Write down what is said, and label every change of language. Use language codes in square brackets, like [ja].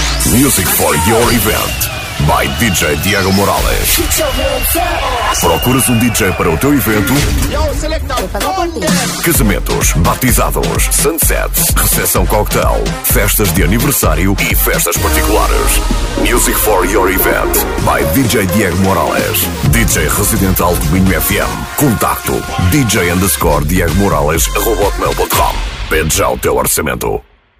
[en] Music for your event. By DJ Diego Morales. [pt] Procuras um DJ para o teu evento? Casamentos, batizados, sunsets, recepção cocktail, festas de aniversário e festas particulares. [en] Music for your event by DJ Diego Morales. [pt] DJ Residental do Minho FM. Contacto DJ_DiegoMorales@hotmail.com. Pede já o teu orçamento.